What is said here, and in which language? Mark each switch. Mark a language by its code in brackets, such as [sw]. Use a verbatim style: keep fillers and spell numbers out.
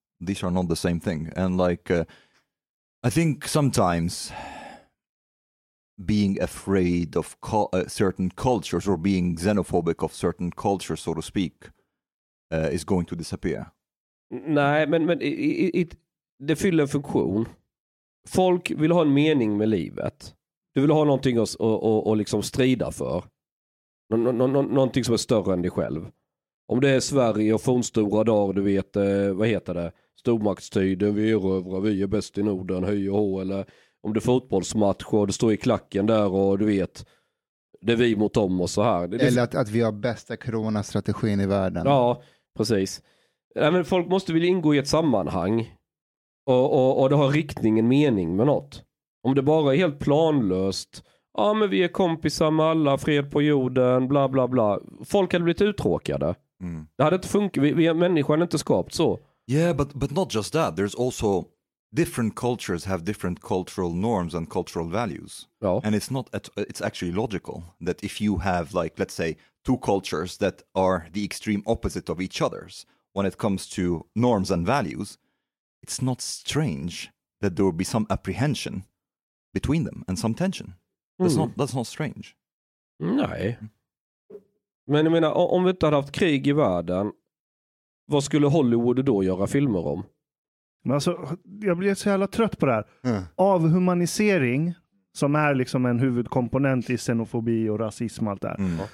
[en] These are not the same thing. And like, uh, I think sometimes being afraid of co- uh, certain cultures or being xenophobic of certain cultures, so to speak, uh, is going to disappear. [sv] Nej, men, men it, it, det fyller en funktion. Folk vill ha en mening med livet. Du vill ha någonting att och, och, och liksom strida för. Nå, nå, nå, någonting som är större än dig själv. Om det är Sverige och fornstora dagar, du vet, eh, vad heter det? Stormaktstiden, vi är erövrar, vi är bäst i Norden, höj och hå. Eller om det är fotbollsmatch och du står i klacken där och du vet, det är vi mot dem och så här. Det, det... Eller att, att vi har bästa coronastrategin i världen. Ja, precis. Nej, men folk måste vilja ingå i ett sammanhang. och, och, och det har riktningen mening med något. Om det bara är helt planlöst, ja men vi är kompisar med alla, fred på jorden, bla bla bla. Folk hade blivit uttråkade. Mm. Det hade inte funkat, vi, vi, människan är inte skapt så. [en] Yeah, but, but not just that, there's also different cultures have different cultural norms and cultural values. [sv] Ja. [en] And it's not at, it's actually logical that if you have like, let's say, two cultures that are the extreme opposite of each other's when it comes to norms and values, it's not strange that there will be some apprehension between them and some tension. That's, mm. not, that's not strange. [sv] Nej. Men jag menar, om vi inte hade haft krig i världen, vad skulle Hollywood då göra filmer om? Men alltså, jag blir så jävla trött på det här. Mm. Avhumanisering, som är liksom en huvudkomponent i xenofobi och rasism och allt det här. Mm.